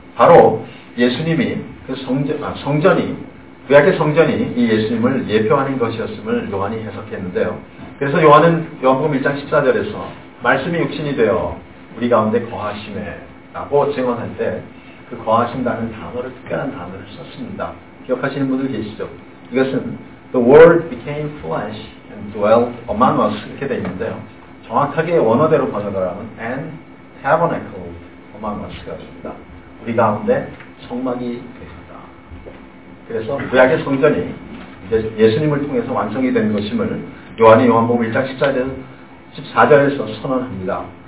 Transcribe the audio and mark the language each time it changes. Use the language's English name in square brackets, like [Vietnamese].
[Korean] 바로 예수님이 그 성전이 구약의 성전이 이 예수님을 예표하는 것이었음을 요한이 해석했는데요. 그래서 요한은 요한복음 1장 14절에서 말씀이 육신이 되어 우리 가운데 거하심에 라고 증언할 때 그 거하신다는 단어를 특별한 단어를 썼습니다. 기억하시는 분들 계시죠? 이것은 [English] The word became flesh and dwelt among us [Korean] 이렇게 되어 있는데요. 정확하게 원어대로 번역을 하면 [English] and tabernacled among us [Korean] 가 됩니다. 우리 가운데 성막이 됩니다. 그래서 구약의 성전이 이제 예수님을 통해서 완성이 된 것임을 요한이 요한복음 1장 14절에서 선언합니다.